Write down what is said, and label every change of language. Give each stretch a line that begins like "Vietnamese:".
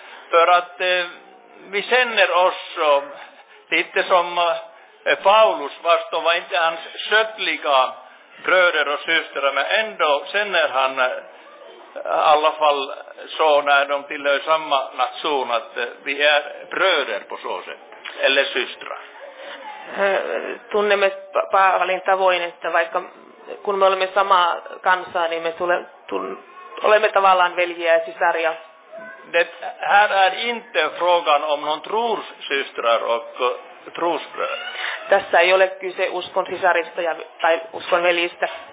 Swedish: För att vi känner oss lite som Paulus, fast de var inte hans köttliga bröder och systrar, men ändå känner han i alla fall så när de tillhör samma nation att vi är bröder på så sätt. Eller systra.
Finnish: Tunnemme Paavalin tavoin, että vaikka kun me olemme samaa kansaa, niin me olemme tavallaan veljiä ja sisaria.
Swedish: Det här är inte frågan om någon trossystrar och trosbröder.
Finnish: Tässä ei ole kyse uskon sisarista tai uskon veljistä.